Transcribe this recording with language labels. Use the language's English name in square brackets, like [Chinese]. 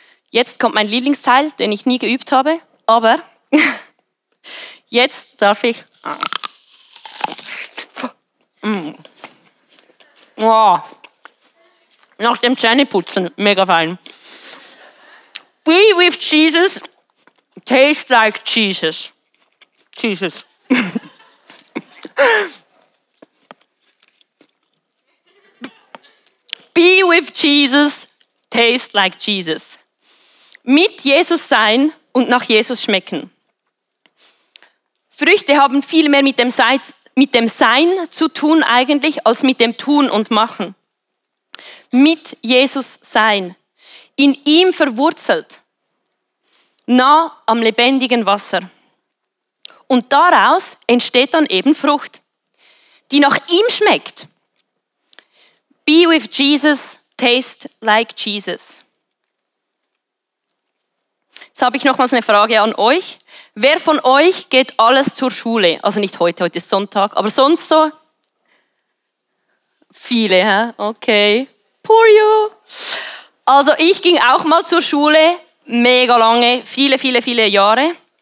[German] Jetzt kommt mein Lieblingsteil, den ich nie geübt habe, aber jetzt darf ich... Wow. Nach dem Zähneputzen, mega fein. [English] Be with Jesus, taste like Jesus. Jesus. Be with Jesus, taste like Jesus. [German] Mit Jesus sein und nach Jesus schmecken. Früchte haben viel mehr mit dem Sein zu tun eigentlich, als mit dem Tun und Machen. Mit Jesus sein. In ihm verwurzelt. Nah am lebendigen Wasser. Und daraus entsteht dann eben Frucht, die nach ihm schmeckt. [English] Be with Jesus, taste like Jesus. [German] Jetzt habe ich nochmals eine Frage an euch. Wer von euch geht alles zur Schule? Also nicht heute, heute ist Sonntag, aber sonst so? Viele, hä? Okay. [English] Poor you. [German] Also ich ging auch mal zur Schule, mega lange, viele, viele, viele Jahre.